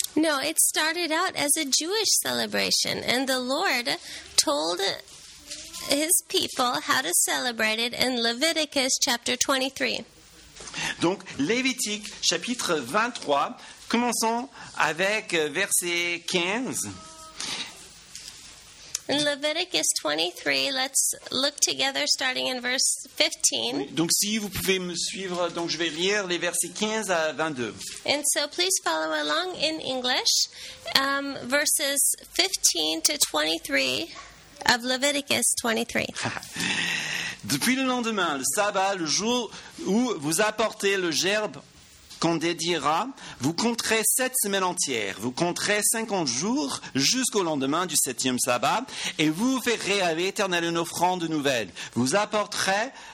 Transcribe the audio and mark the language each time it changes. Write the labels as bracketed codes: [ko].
[en] No, it started out as a Jewish celebration, and the Lord told his people how to celebrate it in Leviticus chapter 23. [fr] Donc, Lévitique chapitre 23, commençons avec verset 15. [en] In Leviticus 23, let's look together starting in verse 15. [fr] Donc si vous pouvez me suivre, donc je vais lire les versets 15 à 22. [en] And so please follow along in English, verses 15 to 23 of Leviticus 23. [fr] Depuis le lendemain, le sabbat, le jour où vous apportez le gerbe qu'on dédiera, vous compterez 7 semaines entières, vous compterez 50 jours jusqu'au lendemain du 7e sabbat, et vous ferez à l'Éternel une offrande nouvelle. Vous apporterez